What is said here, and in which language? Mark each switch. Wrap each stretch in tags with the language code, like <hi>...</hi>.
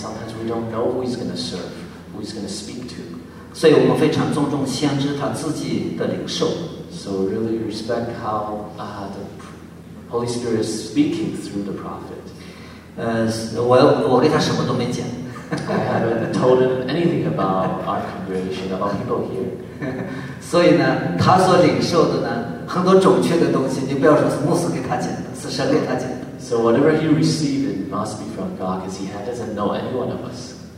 <en>Sometimes we don't know who he's going to serve, who he's going to speak to.</en> <zh>所以我们非常尊重先知他自己的领受。</zh> <en>So really respect how the Holy Spirit is speaking through the prophet.</en> <zh>我给他什么都没讲。</zh> <en>I haven't told him anything about our congregation, about people here.</en> <zh>所以呢，他所领受的呢，很多准确的东西，你不要说是牧师给他讲的，是神给他讲的。</zh> <en>So whatever he received, it must be from God, because he doesn't know any one of us.</en>